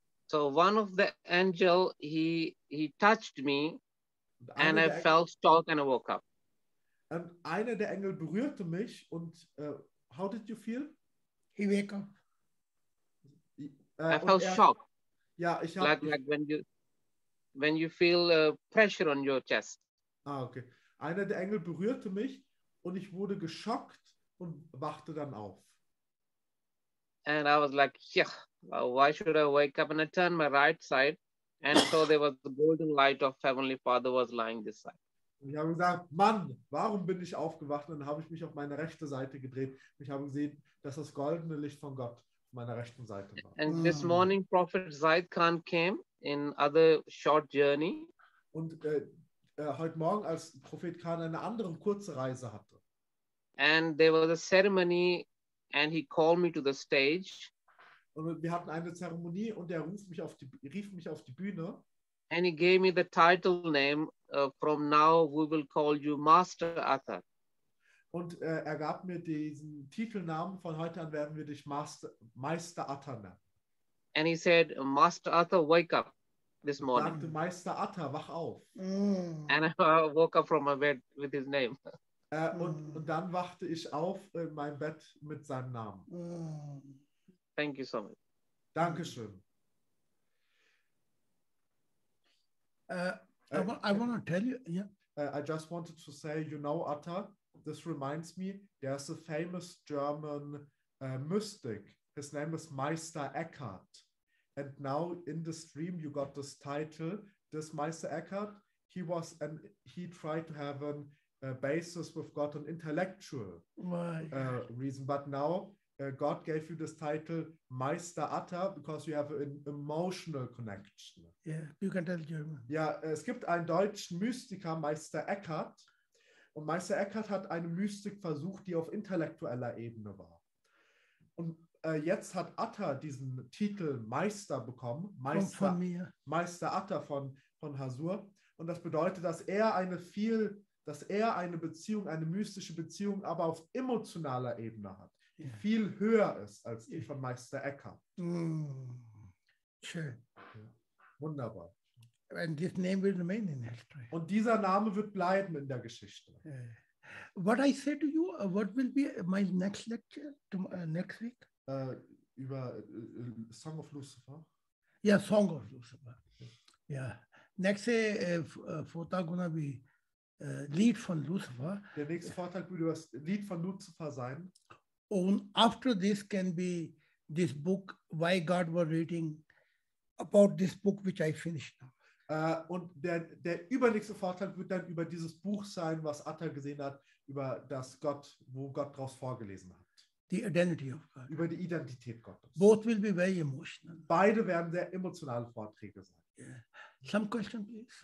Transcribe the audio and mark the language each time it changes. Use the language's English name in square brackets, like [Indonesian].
[English] So one of the angel, he touched me and I felt strong and I woke up. [German] Und einer der Engel berührte mich und [English] how did you feel? He woke up. I felt shocked. [German] Yeah, ich [English] habe like when you feel pressure on your chest. Ah, okay. [German] Einer der Engel berührte mich und ich wurde geschockt und wachte dann auf. [English] And I was like, yeah, why should I wake up? And I turned my right side and so there was the golden light of Heavenly Father was lying this side. [German] Ich habe gesagt, Mann, warum bin ich aufgewacht? Und dann habe ich mich auf meine rechte Seite gedreht. Ich habe gesehen, dass das goldene Licht von Gott auf meiner rechten Seite war. [English] And this morning Prophet Zahid Khan came in other short journey. [German] Und heute Morgen, als Prophet Khan eine andere kurze Reise hatte. [English] And there was a ceremony and he called me to the stage. [German] Und wir hatten eine Zeremonie und er rief mich auf die Bühne. [English] And he gave me the title name, from now we will call you Master Arthur. [German] Und er gab mir diesen Titelnamen, von heute an werden wir dich Meister Arthur nennen. [English] And he said, Master Arthur, wake up. This morning. [German] Sagte, Meister Atta, wach auf. Mm. [English] And I woke up from my bed with his name. [German] Und dann wachte ich auf in mein Bett mit seinem Namen. [English] Mm. Thank you so much. [German] Dankeschön. [English] I want to tell you, yeah. I just wanted to say, you know, Atta, this reminds me, there's a famous German mystic. His name is Meister Eckhart. And now in the stream you got this title, this Meister Eckhart. He tried to have an basis with God, an intellectual reason. But now God gave you this title Meister Atta because you have an emotional connection. Yeah, you can tell German. [German] Yeah, es gibt einen deutschen Mystiker Meister Eckhart. Und Meister Eckhart hat eine Mystik versucht, die auf intellektueller Ebene war. Und jetzt hat Atta diesen Titel Meister bekommen, Meister Atta von Hasur. Und das bedeutet, dass er eine Beziehung, eine mystische Beziehung, aber auf emotionaler Ebene hat, die viel höher ist als die von Meister Eckhart. Mm. Schön. Ja. Wunderbar. [English] And this name will remain in history. [German] Und dieser Name wird bleiben in der Geschichte. [English] What I say to you, what will be my next lecture, next week? [German] Über Song of Lucifer. [English] Yeah, Song of Lucifer. Yeah. Next day, Vortrag gonna be [German] Lied von Lucifer. Der nächste Vortrag wird über Lied von Lucifer sein. [English] And after this can be this book, why God was reading about this book, which I finished now. [German] Und der übernächste Vortrag wird dann über dieses Buch sein, was Atta gesehen hat, über das Gott, wo Gott draus vorgelesen hat. [English] The identity of God. [German] Über die Identität Gottes. [English] Both will be very emotional. [German] Beide werden sehr emotionale Vorträge sein. [English] Yeah. Some question, please.